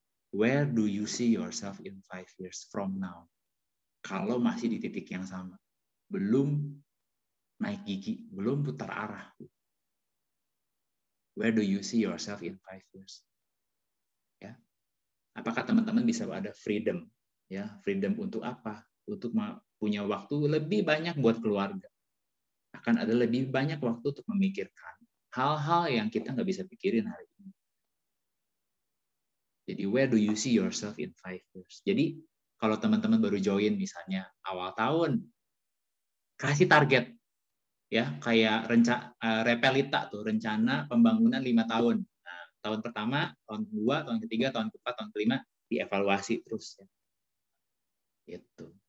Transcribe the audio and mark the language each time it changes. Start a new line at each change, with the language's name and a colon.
English: Where do you see yourself in 5 years from now?
Indonesian: Kalau masih di titik yang sama, belum naik gigi, belum putar arah.
English: Where do you see yourself in 5 years?
Indonesian: Ya. Apakah teman-teman bisa ada freedom? Ya, freedom untuk apa? Untuk punya waktu lebih banyak buat keluarga. Akan ada lebih banyak waktu untuk memikirkan hal-hal yang kita nggak bisa pikirin hari ini.
English: Jadi, where do you see yourself in 5 years?
Indonesian: Jadi, kalau teman-teman baru join misalnya awal tahun, kasih target. Ya, kayak repelita tuh, rencana pembangunan 5 tahun. Nah, tahun pertama, tahun kedua, tahun ketiga, tahun keempat, tahun kelima dievaluasi terus ya. Gitu.